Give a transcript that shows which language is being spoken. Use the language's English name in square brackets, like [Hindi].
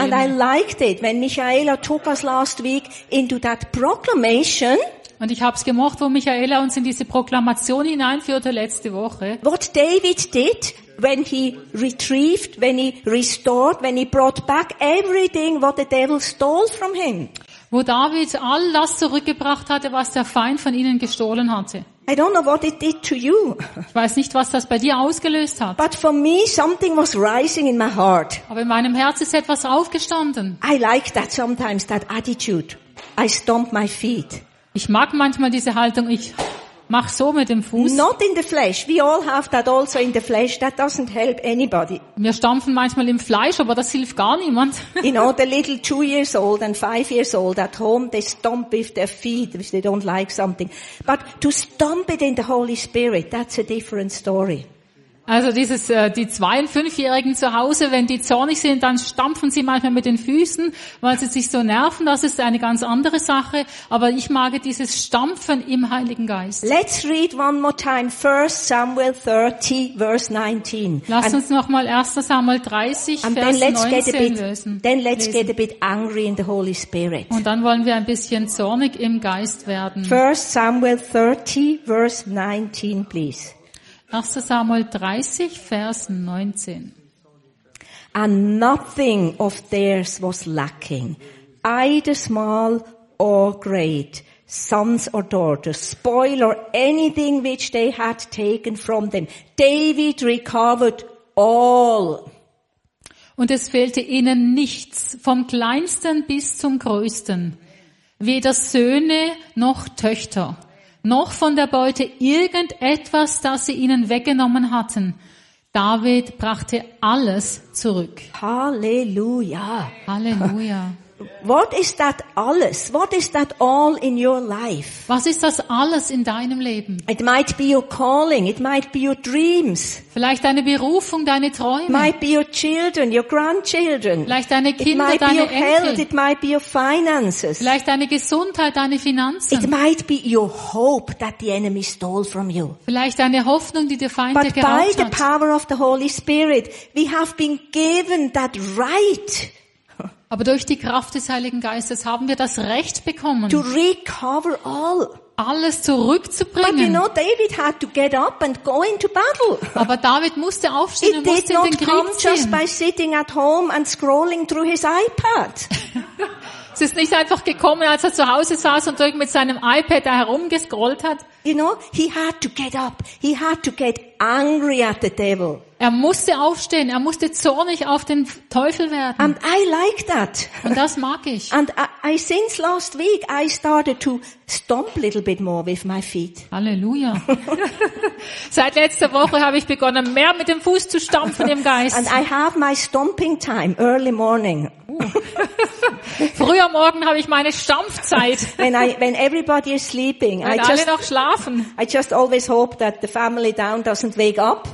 [English] And I liked it when Michaela took us last week into that proclamation. [German] Und ich habe es gemocht, wo Michaela uns in diese Proklamation hineinführte letzte Woche. [English] What David did when he retrieved, when he restored, when he brought back everything what the devil stole from him. [German] Wo David all das zurückgebracht hatte, was der Feind von ihnen gestohlen hatte. [English] I don't know what it did to you. [German] Ich weiß nicht, was das bei dir ausgelöst hat. [English] But for me, something was rising in my heart. [German] Aber in meinem Herz ist etwas aufgestanden. [English] I like that sometimes, that attitude. I stomp my feet. [German] Ich mag manchmal diese Haltung. Ich mach so mit dem Fuß. [English] Not in the flesh. We all have that also in the flesh. That doesn't help anybody. [German] Wir stampfen manchmal im Fleisch, aber das hilft gar niemand. [English] You know, the little 2 years old and 5 years old at home, they stomp with their feet if they don't like something. But to stomp it in the Holy Spirit, that's a different story. [German] Also dieses die 2- und 5-Jährigen zu Hause, wenn die zornig sind, dann stampfen sie manchmal mit den Füßen, weil sie sich so nerven. Das ist eine ganz andere Sache. Aber ich mag dieses Stampfen im Heiligen Geist. [English] Let's read one more time 1 Samuel 30, verse 19. [German] Lass uns nochmal 1 Samuel 30, Vers 19 lesen. [English] Then let's get a bit angry in the Holy Spirit. [German] Und dann wollen wir ein bisschen zornig im Geist werden. [English] 1 Samuel 30, verse 19, please. [German] 1. Samuel 30, Vers 19. [English] And nothing of theirs was lacking, either small or great, sons or daughters, spoil or anything which they had taken from them. David recovered all. [German] Und es fehlte ihnen nichts, vom kleinsten bis zum größten, weder Söhne noch Töchter. Noch von der Beute irgendetwas, das sie ihnen weggenommen hatten. David brachte alles zurück. Halleluja. Halleluja. [English] What is that alles? What is that all in your life? [German] Was ist das alles in deinem Leben? [English] It might be your calling. It might be your dreams. [German] Vielleicht deine Berufung, deine Träume. [English] It might be your children, your grandchildren. [German] Vielleicht deine Kinder, deine Enkel. [English] It might be your health. It might be your finances. [German] Vielleicht deine Gesundheit, deine Finanzen. [English] It might be your hope that the enemy stole from you. [German] Vielleicht deine Hoffnung, die der Feind dir geraubt hat. [English] But by the power of the Holy Spirit, we have been given that right. [German] Aber durch die Kraft des Heiligen Geistes haben wir das Recht bekommen, [English] to recover all. [German] Alles zurückzubringen. [English] But you know, David had to get up and go into battle. [German] Aber David musste aufstehen und musste in den Krieg ziehen. [English] Just by sitting at home and scrolling through his iPad. [German] Es ist nicht einfach gekommen, als er zu Hause saß und mit seinem iPad da herumgescrollt hat. [English] You know, he had to get up. He had to get angry at the devil. [German] Er musste aufstehen. Er musste zornig auf den Teufel werden. [English] And I like that. [German] Und das mag ich. [English] And I since last week I started to stomp a little bit more with my feet. [German] Halleluja. Seit letzter Woche habe ich begonnen, mehr mit dem Fuß zu stampfen im Geist. [English] And I have my stomping time early morning. [German] Früh am Morgen habe ich meine Stampfzeit. [English] When everybody is sleeping, I just always hope that the family down doesn't wake up.